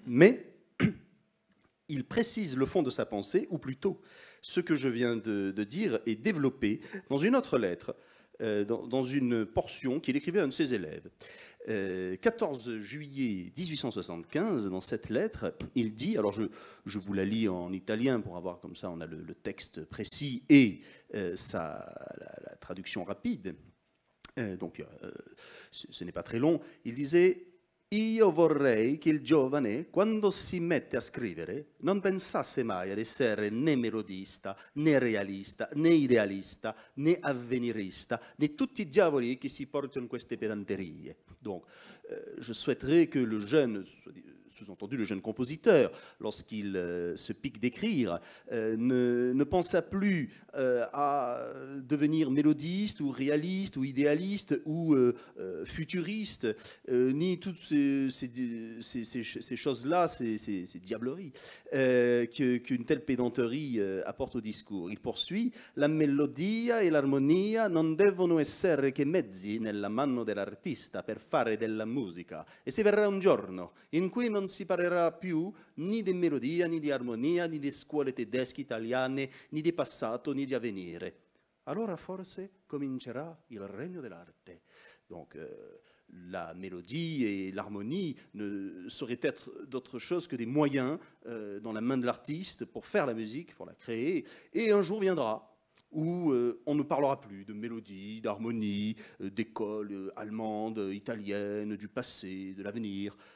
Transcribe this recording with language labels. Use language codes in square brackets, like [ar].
[fr] Mais il précise le fond de sa pensée, ou plutôt ce que je viens de dire est développé dans une autre lettre, dans une portion qu'il écrivait à un de ses élèves. 14 juillet 1875, dans cette lettre, il dit, alors je vous la lis en italien pour avoir comme ça, on a le texte précis et la traduction rapide. Ce n'est pas très long. Il disait: [it] Io vorrei che il giovane, quando si mette a scrivere, non pensasse mai ad essere né melodista, né realista, né idealista, né avvenirista, né tutti i diavoli che si portano queste pedanterie. [fr] Donc, je souhaiterais que le jeune, sous-entendu le jeune compositeur, lorsqu'il se pique d'écrire, ne pensa plus à devenir mélodiste ou réaliste ou idéaliste ou futuriste, ni toutes ces choses-là, ces diableries qu'une telle pédanterie apporte au discours. Il poursuit: [it] La melodia e l'armonia non devono essere che mezzi nella mano dell'artista per fare della musica. E si verrà un giorno in cui non si parlerà più ni di melodia, ni di armonia, ni di scuole tedesche, italiane, ni di passato, ni di avvenire. Allora forse comincerà il regno dell'arte. [fr] Donc, la mélodie et l'harmonie ne sauraient être d'autre chose que des moyens dans la main de l'artiste pour faire la musique, pour la créer. Et un jour viendra où on ne parlera plus de mélodie, d'harmonie, d'école allemande, italienne, du passé, de l'avenir.